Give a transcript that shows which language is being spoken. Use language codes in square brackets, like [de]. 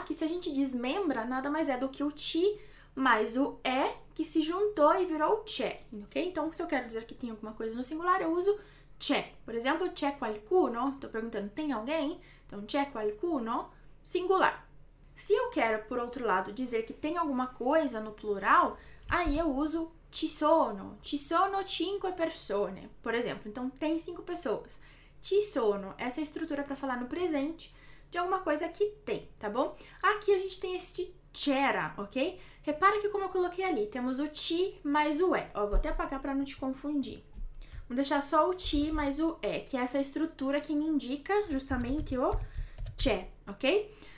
[pt] Que se a gente desmembra, nada mais é do que o ti mais o è, que se juntou e virou o c'è, ok? Então, se eu quero dizer que tem alguma coisa no singular, eu uso c'è. Por exemplo, [it] c'è qualcuno? [pt] Tô perguntando, tem alguém? Então, c'è qualcuno? Singular. Se eu quero, por outro lado, dizer que tem alguma coisa no plural, aí eu uso ci sono. [it] Ci sono cinque persone, por exemplo. [pt] Então, tem cinco pessoas. Ci sono, essa é a estrutura para falar no presente de alguma coisa que tem, tá bom? Aqui a gente tem este c'era, ok? Repara que como eu coloquei ali, temos o ti mais o e. Ó, vou até apagar para não te confundir. Vou deixar só o ti mais o e, que é essa estrutura que me indica justamente o c'è, ok?